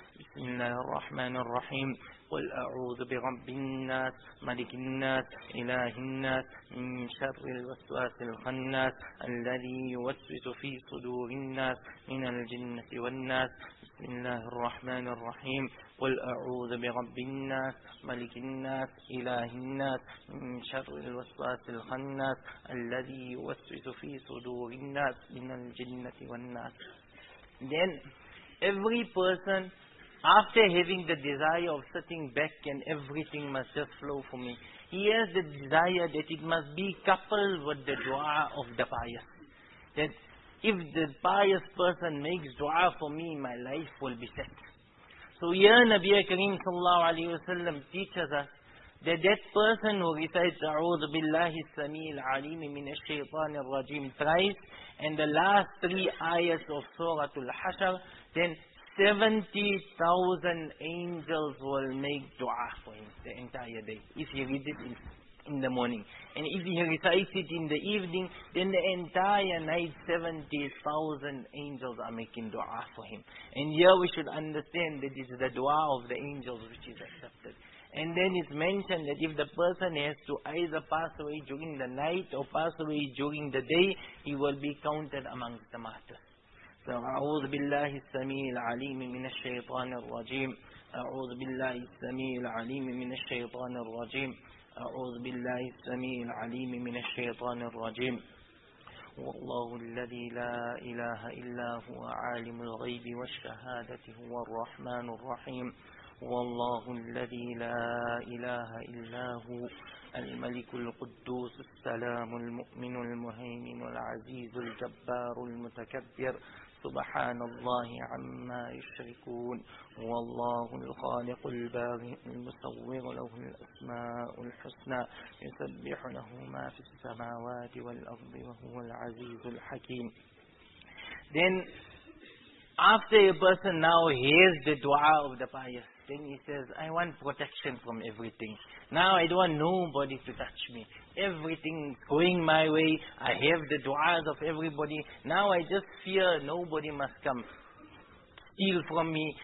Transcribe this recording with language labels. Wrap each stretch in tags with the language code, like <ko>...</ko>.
<ar>بسم الله الرحمن الرحيم قل أعوذ برب الناس ملك الناس إله الناس من شر الوسواس الخناس الذي يوسوس في صدور الناس من الجنة والناس بسم الله الرحمن الرحيم قل أعوذ برب الناس ملك الناس إله الناس من شر الوسواس الخناس الذي يوسوس في صدور الناس من الجنة والناس.</ar> <en>Then every person, after having the desire of sitting back and everything must just flow for me, he has the desire that it must be coupled with the dua of the pious. That if the pious person makes dua for me, my life will be set. So here Nabi Kareem sallallahu alayhi wa sallam teaches us that that person who recites</en> <ar>A'udhu billahi sameel alim min ash-shaytan ar-rajim</ar> <en>thrice and the last three ayahs of Surah Al-Hashr, then 70,000 angels will make dua for him the entire day if he reads it in the morning. And if he recites it in the evening, then the entire night 70,000 angels are making dua for him. And here we should understand that this is the dua of the angels which is accepted. And then it's mentioned that if the person has to either pass away during the night or pass away during the day, he will be counted amongst the martyrs.</en> <ar>So, أعوذ بالله السميع العليم من الشيطان الرجيم. أعوذ بالله السميع العليم من الشيطان الرجيم. أعوذ بالله السميع العليم من الشيطان الرجيم. والله الذي لا إله إلا هو عالم الغيب والشهادة هو الرحمن الرحيم. والله الذي لا إله إلا هو الملك القدوس السلام المؤمن المهيمن العزيز الجبار المتكبر. سبحان الله عما يشركون. والله الخالق الباري المصور له الأسماء الحسنى. يسبح له ما في السماوات والأرض وهو العزيز الحكيم.</ar> <en>Then after a person now hears the dua of the pious, then he says, I want protection from everything. Now I don't want nobody to touch me. Everything going my way. I have the du'as of everybody. Now I just fear nobody must come steal from me.</en>